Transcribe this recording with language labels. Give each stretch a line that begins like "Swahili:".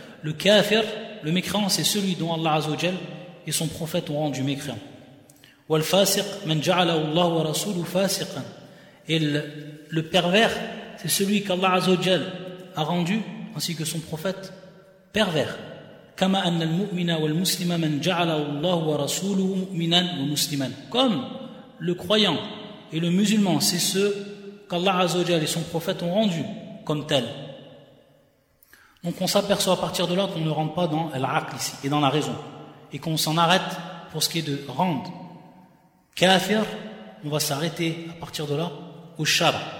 French: Le kafir, le mécréant, c'est celui dont Allah Azza wa Jalla et son prophète ont rendu mécréant.
Arabic: والفاسق من جعله الله ورسوله فاسقا.
French: Le pervers, c'est celui qu'Allah Azza wa Jalla a rendu ainsi que son prophète pervers.
Arabic: كما أن المؤمن والمسلم من جعله الله ورسوله مؤمنا ومسلما.
French: Comme le croyant et le musulman, c'est ceux qu'Allah Azza wa Jalla et son prophète ont rendu comme tel. Donc on s'aperçoit à partir de là qu'on ne rentre pas dans l'aql ici et dans la raison, et qu'on s'en arrête pour ce qui est de rendre kafir, on va s'arrêter à partir de là au shar.